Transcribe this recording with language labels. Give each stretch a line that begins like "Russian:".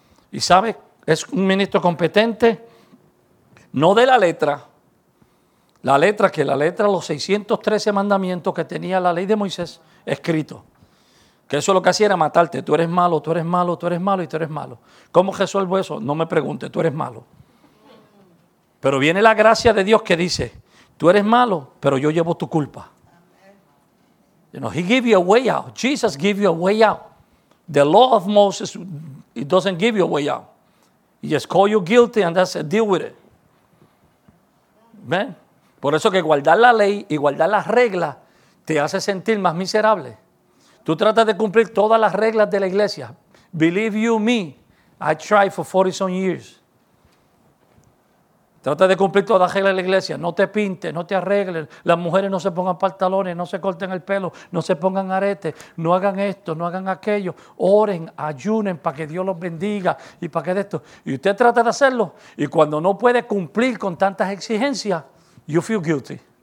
Spanish: Y sabe, es un ministro competente, no de la letra, los 613 mandamientos que tenía la ley de Moisés escrito. Que eso lo que hacía era matarte, tú eres malo, tú eres malo, tú eres malo y tú eres malo. ¿Cómo resuelvo eso? No me pregunte, tú eres malo. Pero viene la gracia de Dios que dice, tú eres malo, pero yo llevo tu culpa.
English: You know, he gave you a way out. Jesus gave you a way out. The law of Moses, it doesn't give you a way out. He just called you guilty and that's it, deal with it.
Spanish: ¿Ven? Por eso que guardar la ley y guardar las reglas te hace sentir más miserable. Tú tratas de cumplir todas las reglas de la iglesia.
English: Believe you me, I tried for 40 some years.
Spanish: Trata de cumplir todas las reglas de la iglesia. No te pintes, no te arregles. Las mujeres no se pongan pantalones, no se corten el pelo, no se pongan aretes, no hagan esto, no hagan aquello. Oren, ayunen para que Dios los bendiga y para que de esto. Y usted trata de hacerlo. Y cuando no puede cumplir con tantas exigencias,
English: you feel guilty.